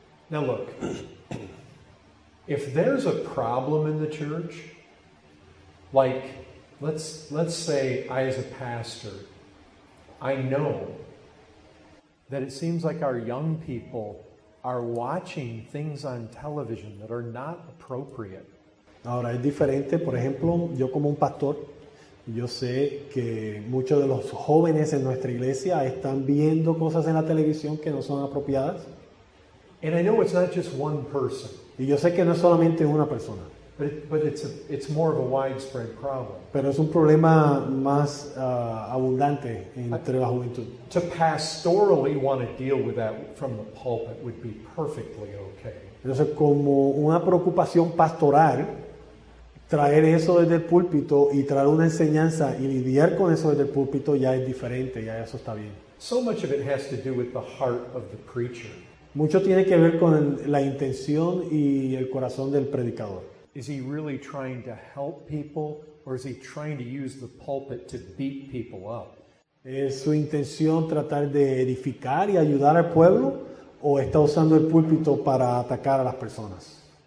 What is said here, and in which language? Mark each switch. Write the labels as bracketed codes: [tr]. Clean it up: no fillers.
[en] Now look, if there's a problem in the church, like let's say I as a pastor, I know that it seems like our young people are watching things on television that are not appropriate. [es] Ahora es diferente, por ejemplo, yo como un pastor, yo sé que muchos de los jóvenes en nuestra iglesia están viendo cosas en la televisión que no son apropiadas. [en] And I know it's not just one person. [es] Y yo sé que no es solamente una persona. [en] But it's more of a widespread problem. [es] Pero es un problema más abundante entre la juventud. [en] To pastorally want to deal with that from the pulpit would be perfectly okay. [es] Entonces, como una preocupación pastoral, traer eso desde el púlpito y traer una enseñanza y lidiar con eso desde el púlpito ya es diferente, ya eso está bien. [en] So much of it has to do with the heart of the preacher. [es] Mucho tiene que ver con la intención y el corazón del predicador. [en] Is he really trying to help people, or is he trying to use the pulpit to beat people up? [es] ¿Es su intención tratar de edificar y ayudar al pueblo, o está usando el púlpito para atacar a las personas?